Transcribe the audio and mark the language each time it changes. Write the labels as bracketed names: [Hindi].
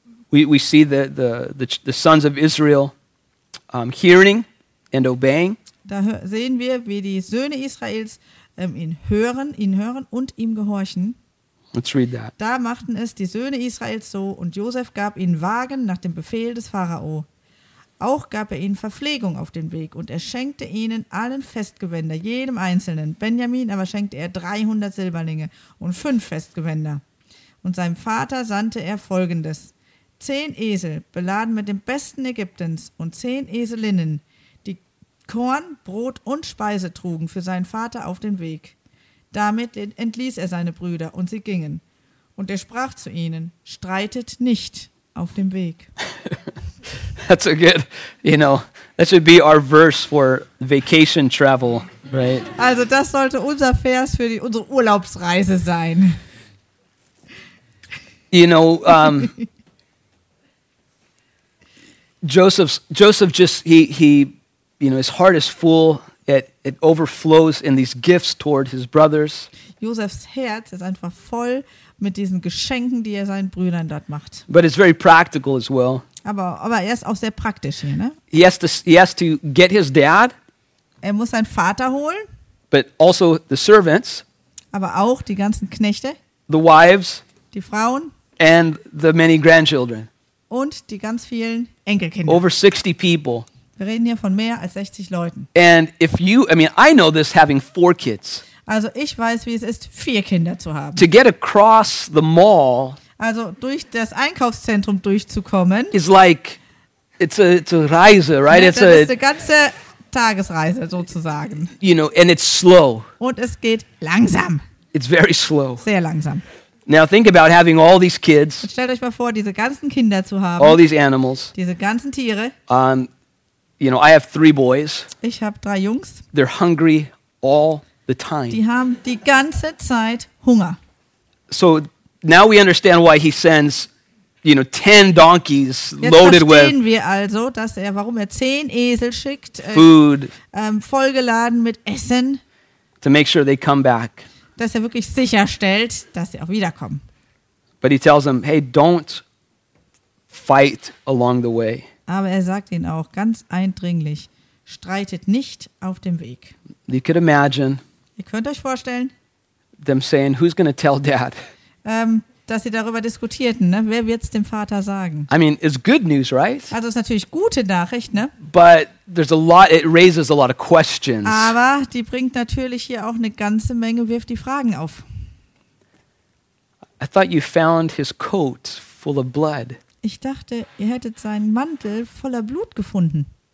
[English] we see the sons of Israel hearing and obeying. [German] Da sehen wir, wie die Söhne Israels ihn hören und ihm gehorchen. [English] Let's read that. [German] Da machten es die Söhne Israels so, und Josef gab ihnen Wagen nach dem Befehl des Pharao. Auch gab er ihnen Verpflegung auf den Weg, und er schenkte ihnen allen Festgewänder, jedem Einzelnen. Benjamin aber schenkte er 300 Silberlinge und 5 Festgewänder. Und seinem Vater sandte er Folgendes: 10 Esel, beladen mit dem besten Ägyptens, und 10 Eselinnen, die Korn, Brot und Speise trugen für seinen Vater auf den Weg. Damit entließ er seine Brüder, und sie gingen. Und er sprach zu ihnen: Streitet nicht auf dem Weg. [English] That's a good, you know, that should be our verse for vacation travel, right? [German] Also, das sollte unser Vers für unsere Urlaubsreise sein. [English] You know, Joseph, his heart is full. It overflows in these gifts toward his brothers. [German] Josephs Herz ist einfach voll mit diesen Geschenken, die er seinen Brüdern dort macht. [English] But it's very practical as well. [German] Aber er ist auch sehr praktisch hier, ne? [English] He has to get his dad. [German] Er muss seinen Vater holen. [English] But also the servants. [German] Aber auch die ganzen Knechte. [English] The wives. [German] Die Frauen. [English] And the many grandchildren. [German] Und die ganz vielen Enkelkinder. [English] Over 60 people. [German] Wir reden hier von mehr als 60 Leuten. [English] And if you, I mean, I know this having 4 kids. [German] Also ich weiß, wie es ist, 4 Kinder zu haben. [English] To get across the mall. [German] Also durch das Einkaufszentrum durchzukommen. [English] Is like, it's a Reise, right? [German] Das ist eine ganze Tagesreise sozusagen. [English] You know, and it's slow. [German] Und es geht langsam. [English] It's very slow. [German] Sehr langsam. [English] Now think about having all these kids. [German] Und stellt euch mal vor, diese ganzen Kinder zu haben. [English] All these animals. [German] Diese ganzen Tiere. [English] You know, I have 3 boys. [German] Ich habe 3 Jungs. [English] They're hungry all the time. [German] Die haben die ganze Zeit Hunger. [English] So now we understand why he sends, you know, 10 donkeys [German] jetzt [English] loaded with. [German] Verstehen wir also, dass er, warum er 10 Esel schickt, [English] food, [German] vollgeladen mit Essen, [English] to make sure they come back. [German] Dass er wirklich sicherstellt, dass sie auch wiederkommen. [English] But he tells them, hey, don't fight along the way. [German] Aber er sagt ihnen auch ganz eindringlich: Streitet nicht auf dem Weg. [English] You could imagine. [German] Ihr könnt euch vorstellen. [English] Them saying, who's going to tell Dad? [German] Dass sie darüber diskutierten, ne? Wer wird's dem Vater sagen? [English] I mean, it's good news, right? [German] Also ist natürlich gute Nachricht, ne? [English] But there's a lot, it raises a lot of questions. [German] Aber die bringt natürlich hier auch eine ganze Menge, wirft die Fragen auf. [English] I thought you found his coat full of blood. [German] Ich dachte, ihr hättet seinen Mantel voller Blut gefunden.